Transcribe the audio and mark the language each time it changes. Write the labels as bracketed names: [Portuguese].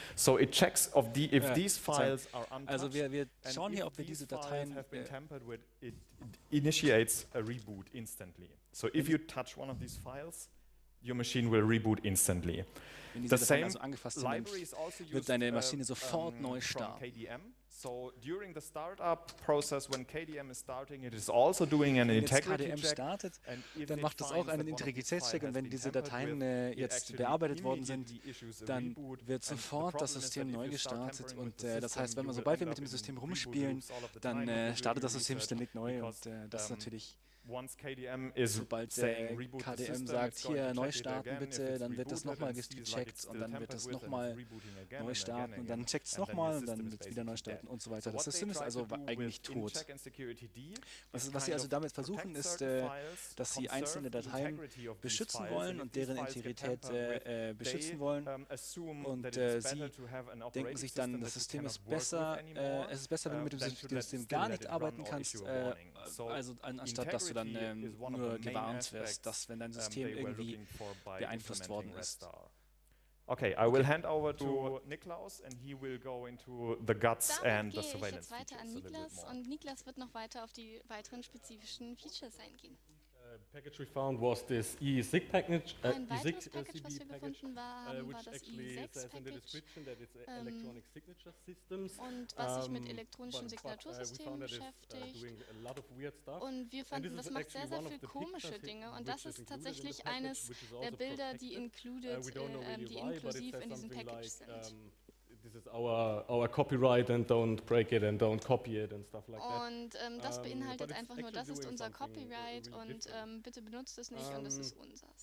[English] So it checks of the if these files are untouched. [German] Also wir schauen hier, ob wir diese Dateien [English] it initiates a reboot instantly. So if you touch one of these files, your machine will reboot instantly. [German] Wenn diese Dateien also angefasst sind, wird deine Maschine sofort neu starten. [English] So during the startup process, when KDM is starting, it is also doing an integrity check. [German] Wenn KDM startet, dann macht es auch einen Integritätscheck. Und wenn diese Dateien jetzt bearbeitet worden sind, dann wird sofort das System neu gestartet. Und das heißt, wenn man sobald wir mit dem System rumspielen, dann startet das System ständig neu. Und das ist natürlich, sobald der KDM sagt, hier neu starten bitte, dann wird das nochmal gecheckt und dann wird das nochmal neu starten und dann checkt es nochmal und dann wird es wieder neu starten und so weiter. Das System ist also eigentlich tot. Was sie also damit versuchen, ist, dass sie einzelne Dateien beschützen wollen und deren Integrität beschützen wollen und sie denken sich dann, das System ist besser, es ist besser, wenn du mit dem System gar nicht arbeiten kannst, also anstatt dass du dann nur gewarnt wirst, dass wenn dein System irgendwie beeinflusst worden ist. [English] Okay, I will hand over to Niklaus and he will go into the guts and the surveillance. [German] Ich gehe jetzt weiter an Niklas und Niklas wird noch weiter auf die weiteren spezifischen Features eingehen. [English] Package we found was this ESIG package. [German] Ein weiteres Package, was wir gefunden haben, war das ESIG-Package. Und was sich mit elektronischen Signatursystemen beschäftigt. Und wir fanden, das macht sehr, sehr viele komische Dinge. Und das ist tatsächlich eines der Bilder, die inklusiv in diesem Package sind. [English] This is our copyright and don't break it and don't copy it and stuff like that. [German] Und das beinhaltet einfach nur, das ist unser Copyright und bitte benutzt es nicht und das ist unseres.